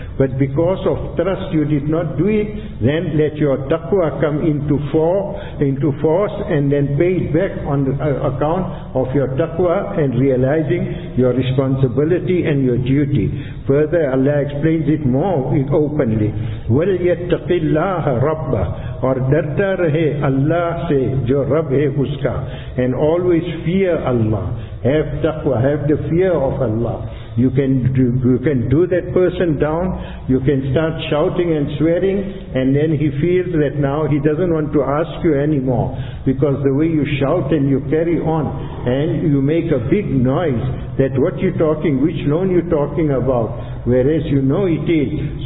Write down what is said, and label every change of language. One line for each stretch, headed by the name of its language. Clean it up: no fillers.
English: But because of trust you did not do it, then let your taqwa come into force, and then pay it back on account of your taqwa and realizing your responsibility and your duty. Further, Allah explains it more openly.
Arabic: وَلْيَتَّقِ اللَّهَ رَبَّهُ.
Urdu: اور ڈرتا رہے اللہ سے جو رب ہے اس کا.
English: And always fear Allah. Have taqwa, have the fear of Allah. You can do that person down, you can start shouting and swearing, and then he feels that now he doesn't want to ask you anymore. Because the way you shout and you carry on, and you make a big noise, that what you're talking, which loan you're talking about, whereas you know it is.